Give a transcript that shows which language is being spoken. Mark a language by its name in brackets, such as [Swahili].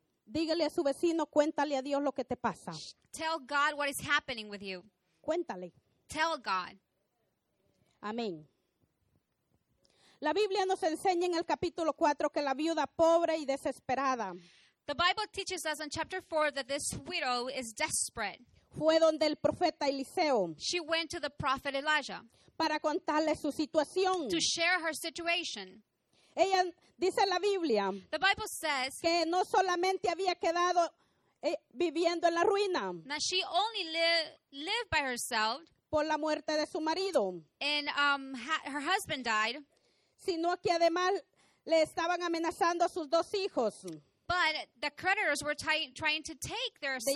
[Spanish] Dígale a su vecino, cuéntale a Dios lo que te pasa. [English] Tell God what is happening with you. [Spanish] Cuéntale. [English] Tell God. [Spanish] Amén. La Biblia nos enseña en el capítulo 4 que la viuda pobre y desesperada. [English] The Bible teaches us in chapter 4 that this widow is desperate. [Spanish] Fue donde el profeta Eliseo. [English] She went to the prophet Elijah. [Spanish] Para contarle su situación. [English] To share her situation. [Spanish] Ella dice la Biblia. [English] The Bible says. [Spanish] Que no solamente había quedado viviendo en la ruina. [English] Now she only lived by herself. [Spanish] Por la muerte de su marido. [English] And her husband died. [Spanish] Sino que además le estaban amenazando a sus dos hijos. [English] But the creditors were trying to take their sons.